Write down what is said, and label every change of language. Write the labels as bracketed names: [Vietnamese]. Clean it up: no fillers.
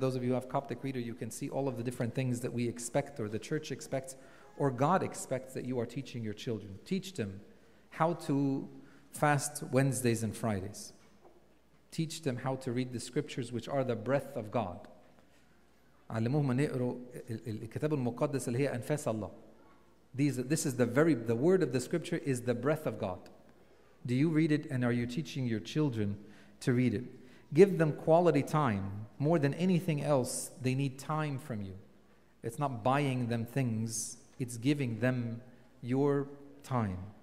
[English] Those of you who have Coptic reader, you can see all of the different things that we expect, or the church expects, or God expects that you are teaching your children. Teach them how to fast Wednesdays and Fridays. Teach them how to read the scriptures, which are the breath of God. [Arabic] علموهم أن يقروا الكتاب المقدس اللي هي أنفاس الله. [English] The word of the scripture is the breath of God. Do you read it, and are you teaching your children to read it? Give them quality time. More than anything else, they need time from you. It's not buying them things, it's giving them your time.